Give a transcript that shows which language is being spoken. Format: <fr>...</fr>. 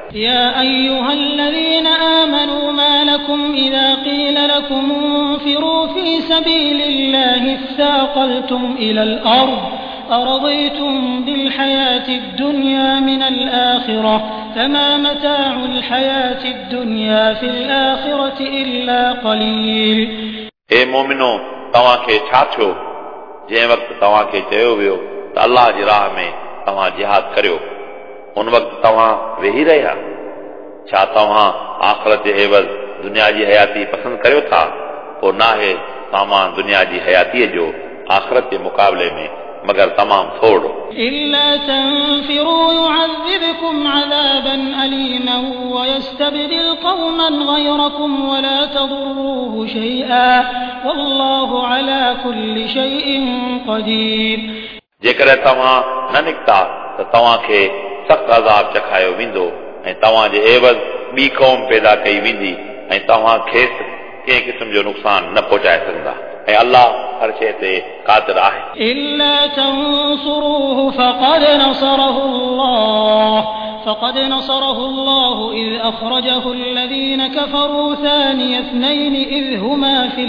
<ar>یا ایھا الذین آمنوا ما لکم اذا قیل لکم انفروا فی سبیل اللہ اثاقلتم الی الارض أرضيتم بالحياة الدنيا من الآخرة فما متاع الحياة الدنيا في الآخرة إلا قليل</ar> <sd>اے مومنو تواں کي ڇا ٿيو جنهن وقت تواں کي چيو ويو ته الله جي راه ۾ تواں جهاد ڪريو ان وقت تواں ويهي رهيا ڇا تواں آخرت جي عوض دنيا جي حياتي پسند ڪريو ٿا پوء ناهي تواں دنيا جي حياتي جو آخرت جي مقابلي ۾ مگر تمام تھوڑو</sd> <ar>الا تنفروا يعذبكم عذابا اليما ويستبدل قوما غيركم ولا تضروه شيئا والله على كل شيء قدير</ar> <sd>جيڪر توهان نه نڪتا ته توهان کي سخت عذاب چکھايو ويندو ۽ توهان جي عوض بي قوم پيدا ڪئي ويندي ۽ توهان کي ڪنهن قسم جو نقصان نه پهچائي سگندا اللہ ہر شيء تي قادر آهي</sd> <ar>الا تنصروه فقد نصره الله فقد نصره الله إذ أخرجه الذين كفروا ثاني اثنين إذ هما</ar>